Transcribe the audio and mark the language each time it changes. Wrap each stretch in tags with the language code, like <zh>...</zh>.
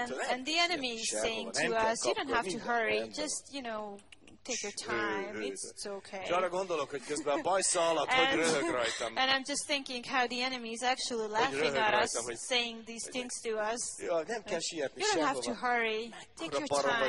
<en>and the enemy is saying to us, you don't have to hurry, just, you know, take your time, it's okay.</en> <hu>És arra gondolok, hogy közben a bajszal alatt, hogy röhög rajtam.</hu> <en>And I'm just thinking how the enemy is actually laughing at us, saying these things to us.</en> <hu>Nem kell sietni sehova.</hu> <en>You don't have to hurry, take your time.</en>